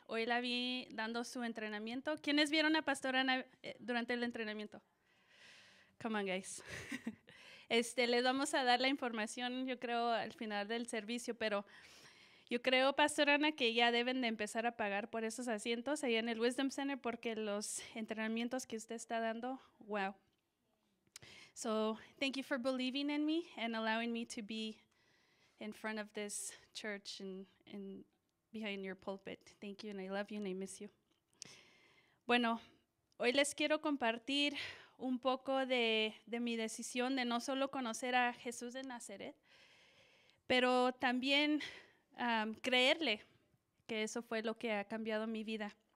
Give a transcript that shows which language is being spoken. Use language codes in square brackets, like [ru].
[es] Hoy la vi dando su entrenamiento. ¿Quiénes vieron a Pastor Ana durante el entrenamiento? [en] Come on, guys. [es] Les vamos a dar la información, yo creo, al final del servicio, pero yo creo, Pastor Ana, que ya deben de empezar a pagar por esos asientos ahí en el Wisdom Center, porque los entrenamientos que usted está dando, wow. [en] So, thank you for believing in me and allowing me to be in front of this church and behind your pulpit. Thank you, and I love you, and I miss you. [es] Bueno, hoy les quiero compartir un poco de mi decisión de no solo conocer a Jesús de Nazaret, pero también creerle, que eso fue lo que ha cambiado mi vida.